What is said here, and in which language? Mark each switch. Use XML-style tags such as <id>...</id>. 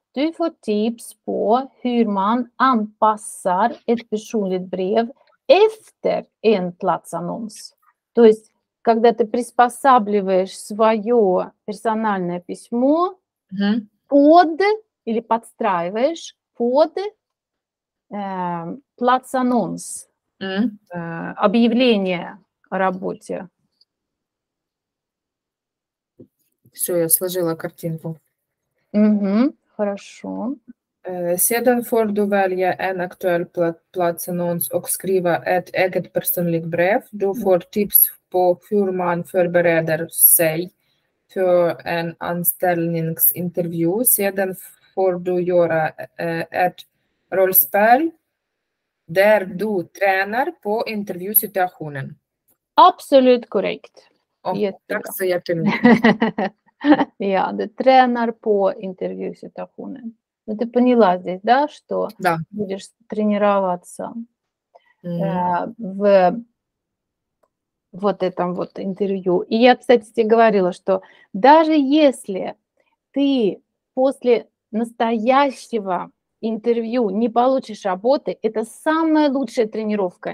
<sv>Du får tips på hur man anpassar ett personligt brev efter en platsannons.</sv> <ru>То есть, когда ты приспосабливаешь свое персональное письмо под, или подстраиваешь под платсанонс, объявление о работе. Все, я сложила картинку. Хорошо.</ru> <sv>Sedan får du välja en aktuell platsannons och skriva ett eget personligt brev. Du får tips på hur man förbereder sig för en anställningsintervju. Sedan får du göra ett rollspel där du tränar på intervjusituationen. Absolut korrekt. Tack så jättemycket.</sv> <ru>Я, да, тренер по интервью ситуации. Ну, ты поняла здесь, да, что да. Будешь тренироваться в вот этом вот интервью. И я, кстати, тебе говорила, что даже если ты после настоящего интервью не получишь работы, это самая лучшая тренировка.</ru>